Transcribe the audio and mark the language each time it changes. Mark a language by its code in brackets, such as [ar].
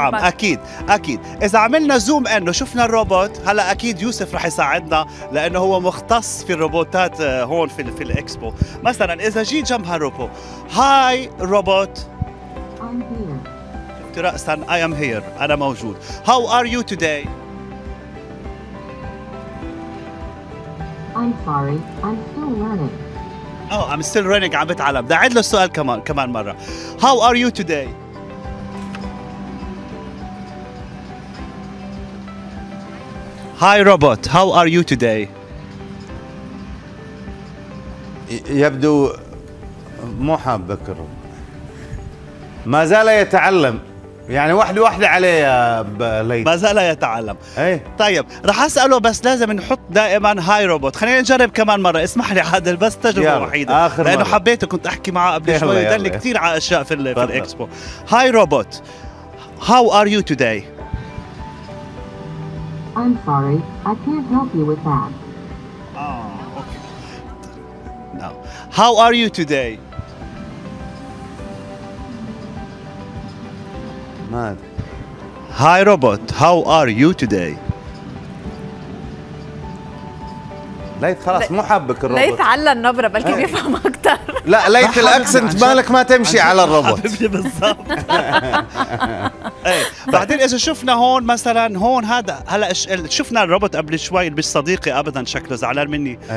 [ar] نعم اكيد اذا عملنا زوم انه شفنا الروبوت هلا، اكيد يوسف رح يساعدنا لانه هو مختص في الروبوتات هون في الاكسبو. مثلا اذا جيت جنب هالروبوت، [en] Hi robot, I'm here. [ar] قلت رأسا [en] I am here, [ar] أنا موجود. [en] How are you today? I'm sorry, I'm still running. Oh, I'm still running, [ar] عم بتعلم. ده عيد له السؤال كمان مرة. [en] How are you today? Hi robot, how are you today? [ar] يبدو مو حاب بكر, ما زال يتعلم, يعني واحدة عليه يا ليت, ما زال يتعلم. ايه طيب رح اسأله, بس لازم نحط دائما [en] Hi robot. [ar] خلينا نجرب كمان مرة, اسمح لي عادل بس تجربة وحيدة آخر لأنه مرة. حبيته, كنت أحكي معه قبل شوي, دلني كثير على أشياء في الإكسبو. [en] Hi robot, how are you today? I'm sorry, I can't help you with that. How are you today? Mad. Hi robot, how are you today? [ar] ليت خلاص مو حبك الروبوت, ليت على النبره بلكي بيفهم اكثر. لا ليت الاكسنت مالك ما تمشي على الروبوت بالضبط. بعدين اذا شفنا هون مثلا, هون هذا هلا شفنا الروبوت قبل شوي, مش صديقي ابدا, شكله زعلان مني.